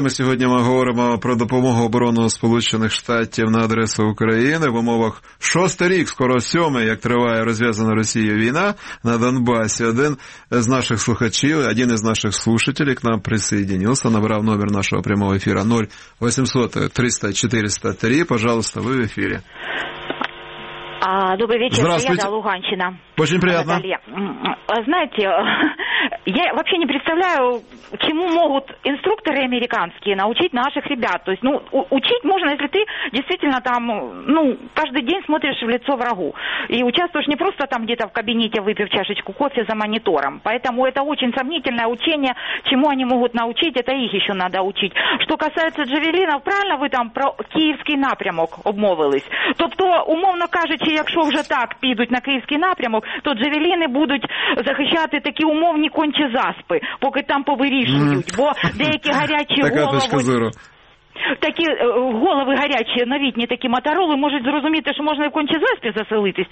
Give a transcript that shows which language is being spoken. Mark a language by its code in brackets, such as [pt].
[uk] Ми сьогодні говоримо про допомогу оборону Сполучених Штатів на адресу України в умовах 6-й рік, скоро 7-й, як триває розв'язана Росією війна на Донбасі. Один з наших слухачів, один із наших слушателів к нам присоединился, набрав номер нашого прямого ефіру 0-800-300-400-3. [ru] Пожалуйста, [uk] ви в ефірі. [ru] Добрый вечер, Саяна, Луганщина. Очень приятно. Наталья. Знаете, я вообще не представляю, чему могут инструкторы американские научить наших ребят. То есть, ну, учить можно, если ты действительно там, ну, каждый день смотришь в лицо врагу. И участвуешь не просто там где-то в кабинете, выпив чашечку кофе за монитором. Поэтому это очень сомнительное учение, чему они могут научить, это их еще надо учить. Что касается джавелинов, правильно вы там про киевский [uk] напрямок обмовились? Тобто, умовно кажучи, якщо вже так підуть на київський напрямок, то джавеліни будуть захищати такі умовні кончі заспи, поки там повирішують, бо деякі гарячі голови... Такі голови гарячі, новітні такі мотороли, можуть зрозуміти, що можна і в кончезаспі заселитись.